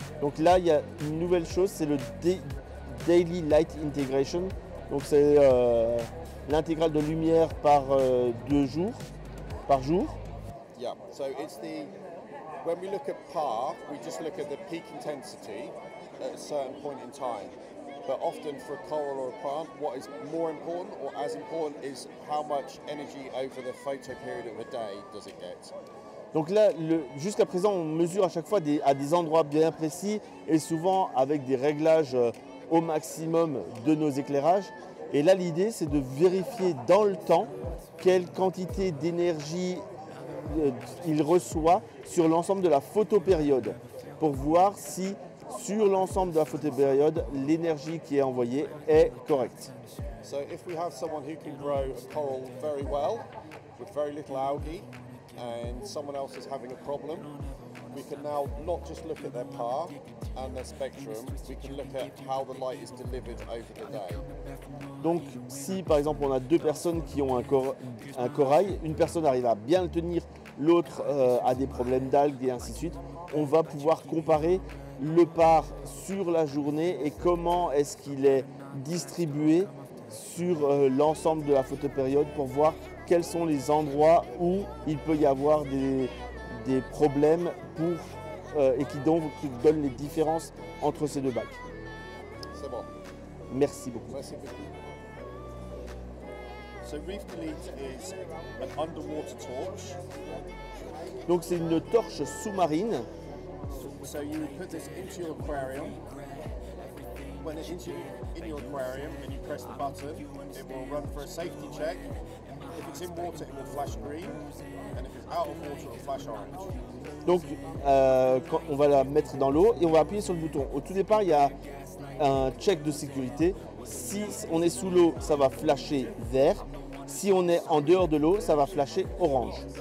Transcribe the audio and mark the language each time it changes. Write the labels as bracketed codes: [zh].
[fr] Donc là, il y a une nouvelle chose, c'est le Daily Light Integration. Donc c'est l'intégrale de lumière par deux jours, par jour. [en] Yeah, so it's the, when we look at par, we just look at the peak intensity at a certain point in time. But often for a coral or a plant, what is more important or as important is how much energy over the photo period of a day does it get. [fr] Donc là, jusqu'à présent, on mesure à chaque fois à des endroits bien précis et souvent avec des réglages au maximum de nos éclairages. Et là, l'idée, c'est de vérifier dans le temps quelle quantité d'énergie il reçoit sur l'ensemble de la photo période pour voir si sur l'ensemble de la photopériode, l'énergie qui est envoyée est correcte. [en] So if we have someone who can grow a coral very well with very little algae and someone else is having a problem, we can now not just look at their par and their spectrum, we can look at how the light is delivered over the day. [fr] Donc si par exemple on a deux personnes qui ont un corail, une personne arrive à bien le tenir, l'autre a des problèmes d'algues et ainsi de suite, on va pouvoir comparer le par sur la journée et comment est-ce qu'il est distribué sur l'ensemble de la photopériode pour voir quels sont les endroits où il peut y avoir des problèmes pour et qui donne les différences entre ces deux bacs. C'est bon. Merci beaucoup. Merci beaucoup. [en] So Reef Delete is an underwater torch. [fr] Donc c'est une torche sous-marine. [en] So you put this into your aquarium. When it's in your aquarium and you press the button, it will run for a safety check. If it's in water, it will flash green. And if it's out of water, it will flash orange. [fr] Donc quand on va la mettre dans l'eau et on va appuyer sur le bouton. Au tout départ, il y a un check de sécurité. Si on est sous l'eau, ça va flasher vert. Si on est en dehors de l'eau, ça va flasher orange.